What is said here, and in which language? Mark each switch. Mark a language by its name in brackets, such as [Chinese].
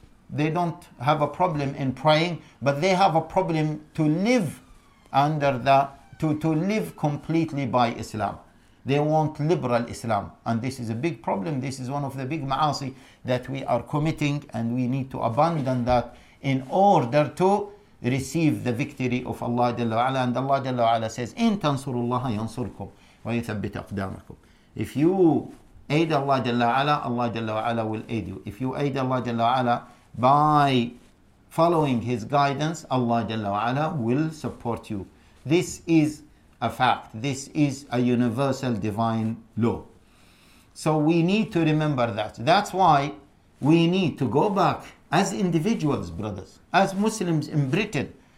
[English] they don't have a problem in praying, but they have a problem to live under that, to live completely by Islam. They want liberal Islam. And this is a big problem. This is one of the big ma'asi that we are committing, and we need to abandon that in order to receive the victory of Allah Jalla wa'ala. And Allah Jalla wa'ala says, [Arabic] إِن تَنْصُرُ اللَّهَ يَنْصُرْكُمْ وَيُثَبِّتْ أَقْدَامَكُمْ. [English] If you aid Allah Jalla wa'ala, Allah Jalla wa'ala will aid you. If you aid Allah Jalla wa'ala by following His guidance, Allah Jalla wa'ala will support you. This is a fact. This is a universal divine law. So we need to remember that. That's why we need to go back as individuals, brothers, as Muslims in Britain.